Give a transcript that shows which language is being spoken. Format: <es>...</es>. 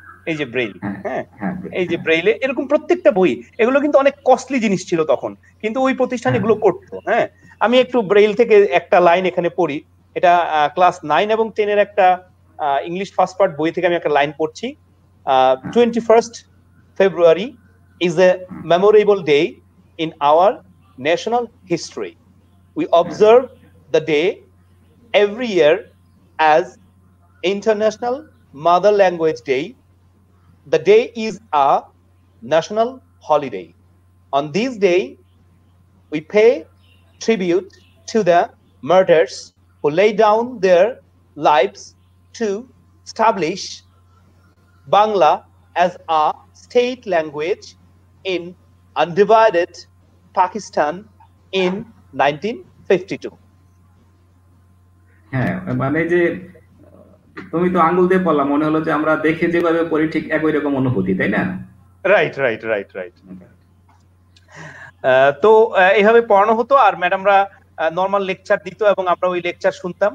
<bn>এই যে ব্রেইল, হ্যাঁ হ্যাঁ এই যে ব্রেইলে, এরকম প্রত্যেকটা বই, এগুলো কিন্তু অনেক কস্টলি জিনিস ছিল তখন, কিন্তু ওই প্রতিষ্ঠান এগুলো করতো। হ্যাঁ, আমি একটু ব্রেইল থেকে একটা লাইন এখানে পড়ি, এটা ক্লাস 9 এবং 10 এর একটা ইংলিশ ফার্স্ট পার্ট বই থেকে আমি একটা লাইন পড়ছি।</bn> <en>21st February is a memorable day in our national history. We observe the day every year as International Mother Language Day. The day is a national holiday. On this day, we pay tribute to the martyrs who laid down their lives to establish Bangla as a state language in undivided Pakistan in 1952.</en> <bn>হ্যাঁ, মানে যে তুমি তো আঙ্গুল দিয়ে বললাম, মনে হলো যে আমরা দেখে যেভাবে পড়ি ঠিক একই রকম অনুভূতি, তাই না?</bn> <en>Right right right right.</en> <bn>তো এইভাবে পড়ানো হতো, আর ম্যাডামরা নর্মাল লেকচার দিত এবং আমরা ওই লেকচার শুনতাম।</bn>